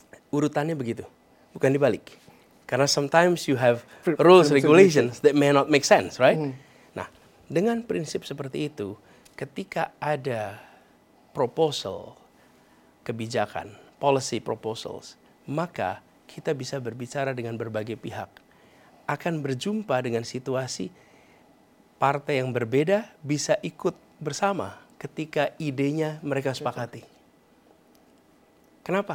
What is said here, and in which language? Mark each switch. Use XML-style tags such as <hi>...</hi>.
<id>Urutannya begitu, bukan dibalik. Karena</id> <en>sometimes you have rules, regulations that may not make sense, right?</en> <id>Nah, dengan prinsip seperti itu, ketika ada proposal, kebijakan, policy proposals, maka kita bisa berbicara dengan berbagai pihak. Akan berjumpa dengan situasi partai yang berbeda bisa ikut bersama ketika idenya mereka sepakati. Kenapa?</id>